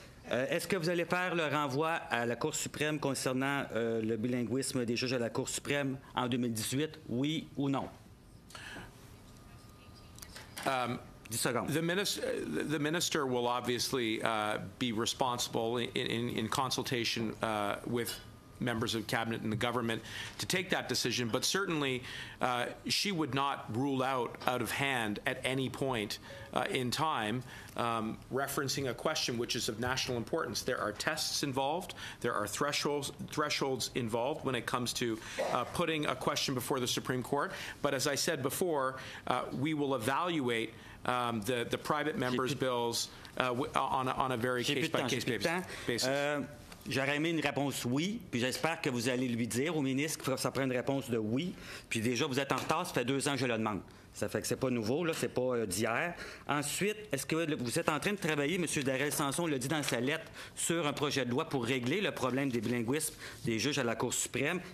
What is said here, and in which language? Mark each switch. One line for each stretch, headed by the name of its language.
French: Est-ce que vous allez faire le renvoi à la Cour suprême concernant le bilinguisme des juges à la Cour suprême en 2018, oui ou non? 10 secondes.
English: The minister will obviously be responsible in consultation with members of cabinet and the government to take that decision, but certainly she would not rule out of hand at any point in time referencing a question which is of national importance. There are tests involved, there are thresholds involved when it comes to putting a question before the Supreme Court, but as I said before, we will evaluate the private members' bills on a very case-by-case basis.
French: J'aurais aimé une réponse oui, puis j'espère que vous allez lui dire au ministre qu'il faut que ça prenne une réponse de oui. Puis déjà, vous êtes en retard, ça fait deux ans que je le demande. Ça fait que c'est pas nouveau, là, c'est pas d'hier. Ensuite, est-ce que vous êtes en train de travailler, M. Darrel Samson l'a dit dans sa lettre, sur un projet de loi pour régler le problème des bilinguismes des juges à la Cour suprême?